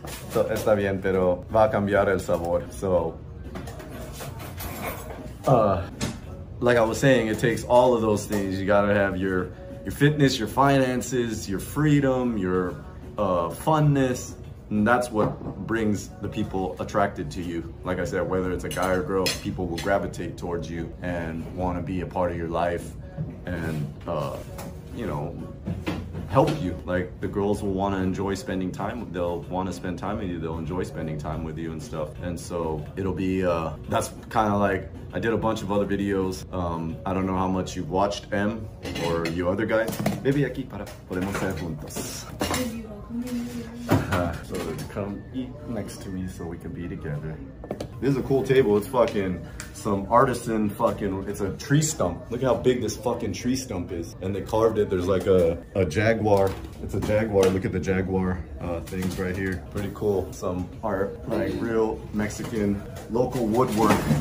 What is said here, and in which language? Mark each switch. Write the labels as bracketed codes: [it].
[en] So, [es] está bien, pero va a cambiar el sabor. [en] So, like I was saying, it takes all of those things. You gotta have your fitness, your finances, your freedom, your funness. And that's what brings the people attracted to you. Like I said, whether it's a guy or girl, people will gravitate towards you and want to be a part of your life and, you know, help you. Like, the girls will want to enjoy spending time. They'll want to spend time with you. They'll enjoy spending time with you and stuff. And so it'll be, that's kind of like, I did a bunch of other videos. I don't know how much you've watched M or you other guys. Maybe [es] aquí para podemos ser juntos. [en] So come eat next to me so we can be together. This is a cool table. It's fucking some artisan fucking, it's a tree stump. Look at how big this fucking tree stump is. And they carved it. There's like a jaguar. It's a jaguar. Look at the jaguar things right here. Pretty cool. Some art, like real Mexican local woodwork.